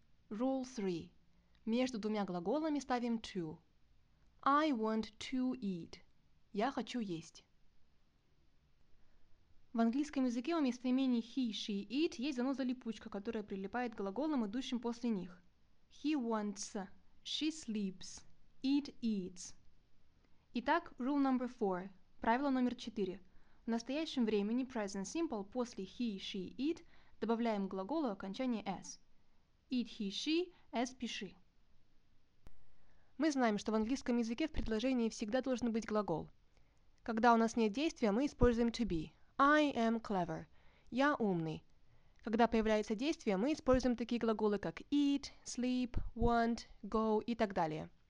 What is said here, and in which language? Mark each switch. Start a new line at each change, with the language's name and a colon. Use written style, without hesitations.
English: Rule 3.
Russian: Между двумя глаголами ставим to.
English: I want to eat.
Russian: Я хочу есть. В английском языке у местоимений he, she, it есть заноза-липучка, которая прилипает к глаголам, идущим после них.
English: He wants, she sleeps, it eats.
Russian: Итак,
English: rule number 4,
Russian: правило номер 4. В настоящем времени present simple после he, she, it добавляем к глаголу окончание s. Eat he, she, s пиши. Мы знаем, что в английском языке в предложении всегда должен быть глагол. Когда у нас нет действия, мы используем to be.
English: I am clever.
Russian: Я умный. Когда появляется действие, мы используем такие глаголы, как eat, sleep, want, go и так далее.